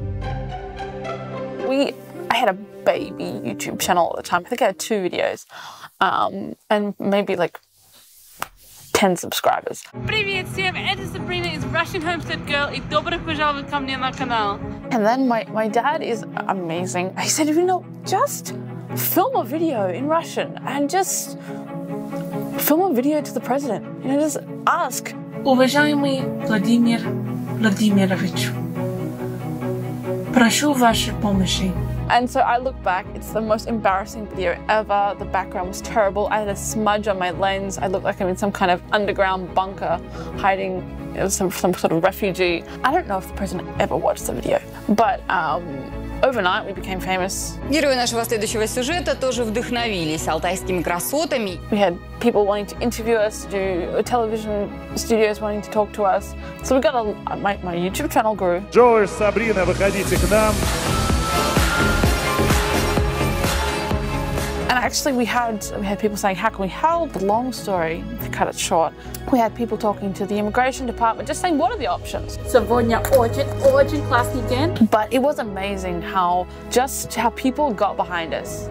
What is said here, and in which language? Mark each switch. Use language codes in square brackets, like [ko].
[en] I had a baby YouTube channel at the time. I think I had 2 videos and maybe like 10 subscribers. [ru] Привет всем, это Сабрина из Russian Homestead Girl, и добро пожаловать ко мне на канал. [en] And then my dad is amazing. He said, you know, just film a video in Russian and just film a video to the president. You know, just ask. [ru] Уважаемый Владимир Владимирович, прошу вашей помощи. [en] And so I look back, it's the most embarrassing video ever. The background was terrible. I had a smudge on my lens. I looked like I'm in some kind of underground bunker hiding, you know, some sort of refugee. I don't know if the president ever watched the video, but overnight we became famous. [ru] Герои нашего следующего сюжета тоже вдохновились алтайскими красотами. [en] We had people wanting to interview us, do television studios wanting to talk to us. So we got my YouTube channel grew. [ru] Джордж, Сабрина, выходите к нам. [en] And actually we had people saying, how can we help? Long story, to cut it short. We had people talking to the immigration department, just saying, what are the options? Savonia, urgent class again. But it was amazing how people got behind us.